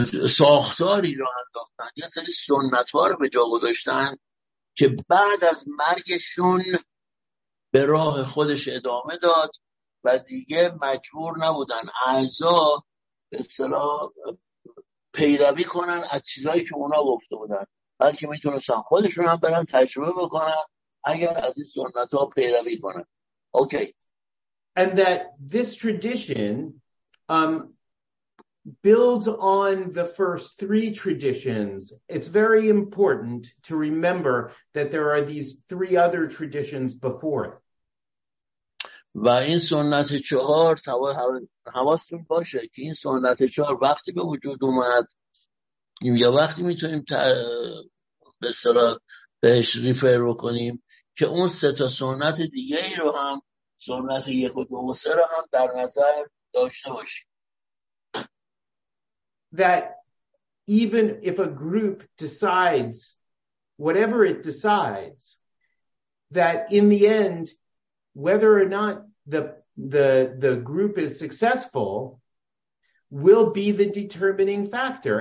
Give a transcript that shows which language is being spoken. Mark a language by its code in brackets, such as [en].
[fa] ساختاری را انداختن، یه سری سنت‌ها رو به جا گذاشتن که بعد از مرگشون به راه خودش ادامه داد و دیگه مجبور نبودن اعضا به اصطلاح پیروی کنن از چیزایی که اونا گفته بودن، بلکه میتونستن خودشون هم برن تجربه بکنن اگر از این سنت‌ها پیروی کنن. اوکی. [en] And that this tradition builds on the first three traditions. It's very important to remember that there are these three other traditions before it. [fa] و این سنت چهار، حواستون باشه که این سنت چهار وقتی به وجود اومد یا وقتی میتونیم به اصطلاح بهش ریفر رو کنیم که اون سه تا سنت دیگه ای رو هم، سنت یک و دو و سه رو هم در نظر داشته باشیم. [en] That even if a group decides, whatever it decides, that in the end, whether or not the group is successful, will be the determining factor.